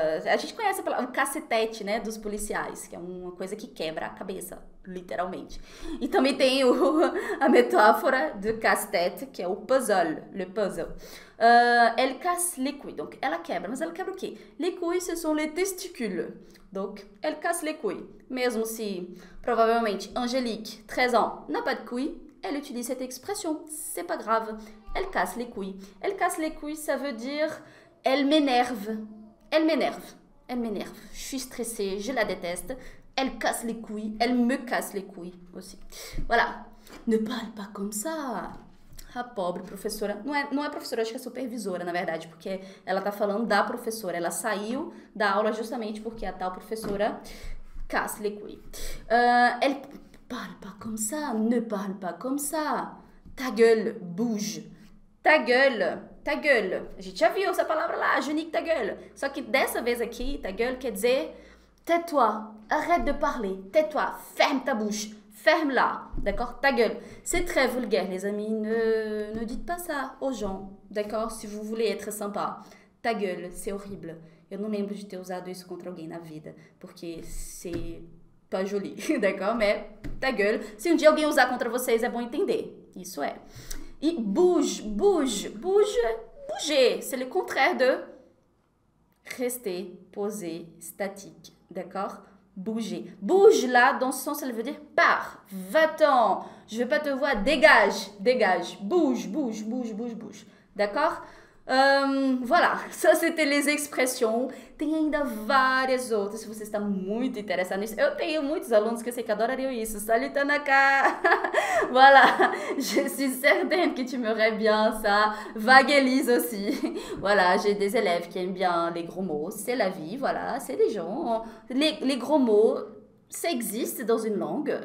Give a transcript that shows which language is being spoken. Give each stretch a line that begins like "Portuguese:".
Portuguese: A gente conhece a palavra cacetete, né, dos policiais, que é uma coisa que quebra a cabeça, literalmente. E também tem a metáfora do castete, que é o puzzle,
French: le puzzle. Elle casse les couilles, donc
Portuguese: ela quebra, mas ela quebra o quê?
French: Les couilles, ce sont les testicules. Donc, elle casse les couilles.
Portuguese: Mesmo se, provavelmente,
French: Angélique, 13 ans, n'a pas de couilles, elle utilise cette expression. C'est pas grave. Elle casse les couilles. Elle casse les couilles, ça veut dire elle m'énerve. Elle m'énerve. Elle m'énerve. Je suis stressée, je la déteste. Elle casse les couilles. Elle me casse les couilles aussi. Voilà. Ne parle pas comme ça.
Portuguese: A pobre professora, não é professora, acho que é supervisora, na verdade, porque ela tá falando da professora, ela saiu da aula justamente porque a tal professora
French: casse les couilles. Elle parle pas comme ça, ne parle pas comme ça. Ta gueule, bouge. Ta gueule, ta gueule.
Portuguese: A gente já viu essa palavra lá,
French: je nique ta gueule.
Portuguese: Só que dessa vez aqui, ta gueule quer dizer
French: tais-toi, arrête de parler, tais-toi, ferme ta bouche. Ferme-la, d'accord? Ta gueule. C'est très vulgaire, les amis. Ne dites pas ça aux gens, d'accord? Si vous voulez être sympa. Ta gueule, c'est horrible.
Portuguese: Eu não lembro de ter usado isso contra alguém na vida, porque
French: c'est pas joli, d'accord? Mais ta gueule.
Portuguese: Se um dia alguém usar contra vocês, é bom entender. Isso é. E
French: bouge, bouge, bouge, bouger. C'est le contraire de rester posé, statique, d'accord? Bouger. Bouge là, dans ce sens, ça veut dire pars, va-t'en, je veux pas te voir, dégage, dégage, bouge, bouge, bouge, bouge, bouge. D'accord? Voilà, ça c'était les expressions.
Portuguese: Tem ainda várias outras, se você está muito interessado nisso. Eu tenho muitos alunos que eu sei que adorariam isso.
French: Salut Tanaka! Voilà, je suis certaine que tu me verrais bien ça. Vaguelise aussi. Voilà, j'ai des élèves qui aiment bien les gros mots. C'est la vie, voilà, c'est des gens. Les gros mots, ça existe dans une langue.